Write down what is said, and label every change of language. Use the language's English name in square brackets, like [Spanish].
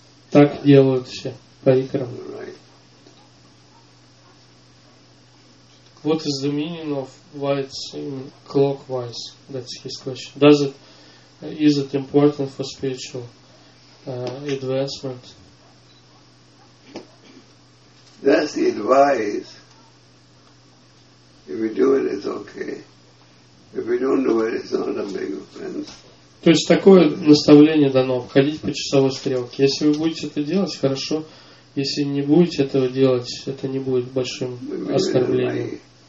[Russian] Так делают все парикрам. [English] What is the meaning of why it's in clockwise? That's his question. Does it is it important for spiritual advancement? That's the advice. If we do it, it's okay. If we don't do it, it's not a big offense. [Russian] То есть такое наставление дано, обходить по часовой стрелке. Если вы будете это делать, хорошо. Если не будете этого делать, это не будет большим оскорблением.